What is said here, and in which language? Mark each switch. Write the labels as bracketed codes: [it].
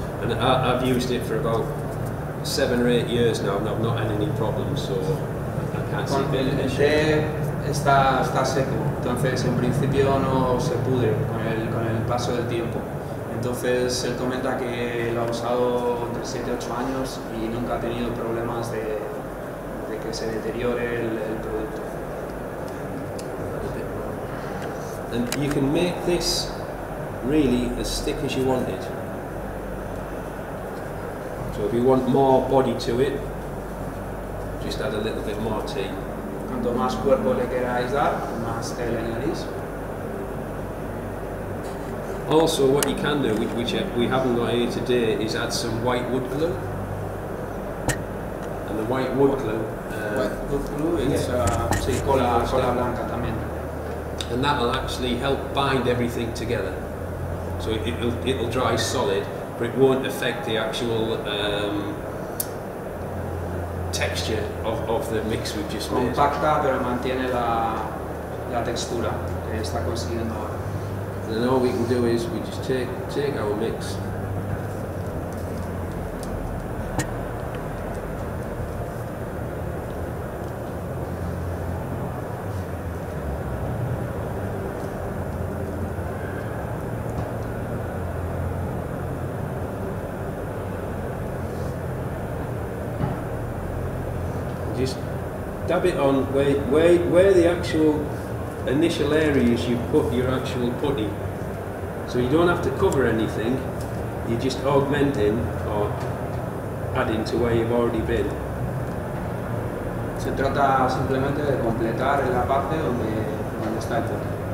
[en] And I've used it for about 7 or 8 years now, and I've not had any problems, so I can't see the issue. [es] Con el té está seco, entonces en principio no se pudre con el paso del tiempo. Entonces él comenta que lo ha usado entre 7-8 años y nunca ha tenido problemas de que se deteriore el producto. [en] And you can make this really as thick as you want it. So if you want more body to it, just add a little bit more tea. [es] Cuanto más cuerpo le queráis dar, más té le añadís. [en] Also, what you can do, which we haven't got here today, is add some white wood glue. And the white wood glue. White wood glue is [es] cola blanca también. [en] And that will actually help bind everything together. So it'll dry solid. but it won't affect the actual texture of the mix we've just made. [es] Compacta, pero mantiene la textura que está consiguiendo ahora. [en] Then all we can do is we just take our mix. Dab it on where the actual initial areas you put your actual putty. So you don't have to cover anything, you're just augmenting or adding to where you've already been. [es] Se trata simplemente de completar la parte donde está el putty.